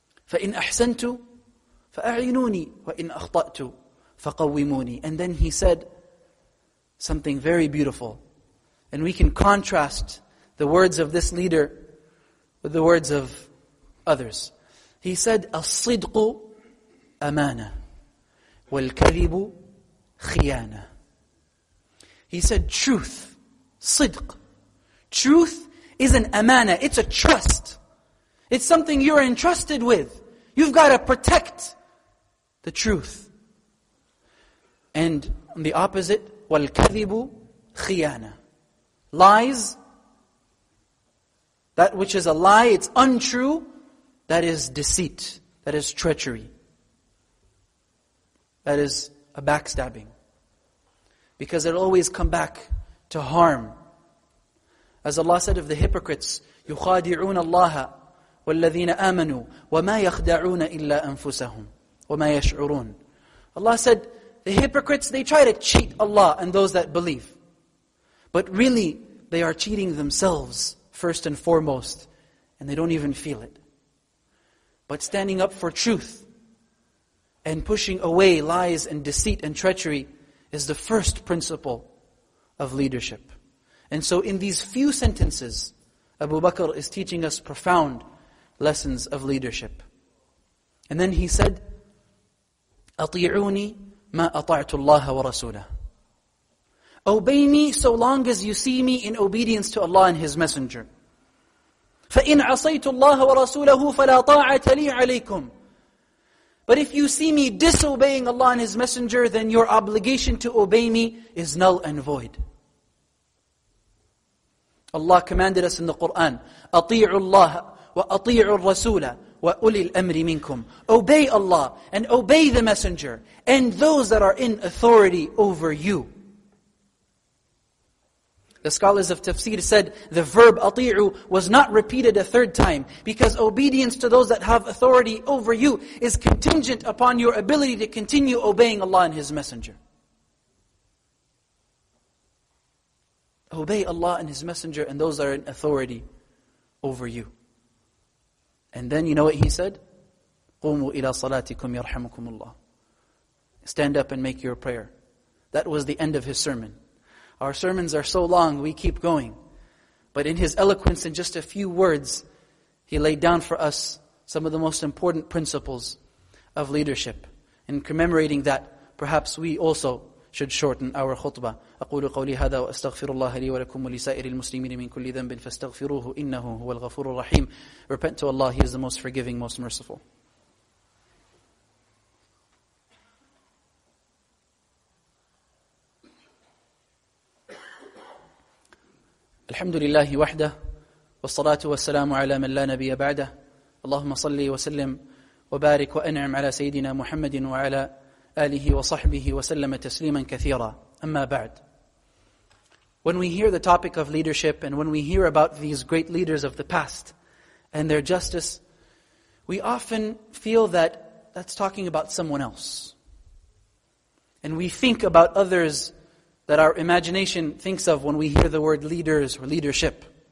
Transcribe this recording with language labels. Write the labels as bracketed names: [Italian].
[Arabic] فَإِنْ أَحْسَنْتُ فَأَعِنُونِي وَإِنْ أَخْطَأْتُ فَقَوِّمُونِي. [English] And then he said something very beautiful. And we can contrast the words of this leader with the words of others. He said, [Arabic] الصدق أمانة والكذب خيانة. [English] He said, truth, صدق. Truth is an amana, it's a trust. It's something you're entrusted with. You've got to protect the truth. And on the opposite, [Arabic] والكذب خيانة. [English] Lies, that which is a lie, it's untrue, that is deceit, that is treachery, that is a backstabbing. Because it'll always come back to harm. As Allah said of the hypocrites, [Arabic] يُخَادِعُونَ اللَّهَ وَالَّذِينَ آمَنُوا وَمَا يَخْدَعُونَ إِلَّا أَنفُسَهُمْ وَمَا يَشْعُرُونَ. [English] Allah said, the hypocrites, they try to cheat Allah and those that believe. But really, they are cheating themselves first and foremost, and they don't even feel it. But standing up for truth and pushing away lies and deceit and treachery is the first principle of leadership. And so in these few sentences, Abu Bakr is teaching us profound lessons of leadership. And then he said, [Arabic] أطيعوني ما أطعت الله ورسوله. [English] Obey me so long as you see me in obedience to Allah and His Messenger. [Arabic] فَإِنْ عَصَيْتُ اللَّهَ وَرَسُولَهُ فَلَا طَاعَةَ لِي عَلَيْكُمْ. [English] But if you see me disobeying Allah and His Messenger, then your obligation to obey me is null and void. Allah commanded us in the Qur'an, [Arabic] أَطِيعُوا اللَّهَ وَأَطِيعُوا الرَّسُولَ وَأُولِي الْأَمْرِ مِنْكُمْ. [English] Obey Allah and obey the Messenger and those that are in authority over you. The scholars of tafsir said the verb ati'u was not repeated a third time because obedience to those that have authority over you is contingent upon your ability to continue obeying Allah and His Messenger. Obey Allah and His Messenger and those that are in authority over you. And then you know what he said? [Arabic] قُومُوا إِلَى صَلَاتِكُمْ يَرْحَمُكُمُ اللَّهِ. [English] Stand up and make your prayer. That was the end of his sermon. Our sermons are so long, we keep going. But in his eloquence, in just a few words, he laid down for us some of the most important principles of leadership. In commemorating that, perhaps we also should shorten our khutbah. [Arabic] أقول قولي هذا وأستغفر الله لي ولكم ولسائر المسلمين من كل ذنب فاستغفروه إنه هو الغفور الرحيم. [English] Repent to Allah, He is the most forgiving, most merciful. [Arabic] الحمد لله وحده والصلاة والسلام على من لا نبي بعده اللهم صلي وسلم وبارك وأنعم على سيدنا محمد وعلى آله وصحبه وسلم تسليما كثيرا أما بعد. [English] When we hear the topic of leadership and when we hear about these great leaders of the past and their justice, we often feel that that's talking about someone else. And we think about others that our imagination thinks of when we hear the word leaders or leadership.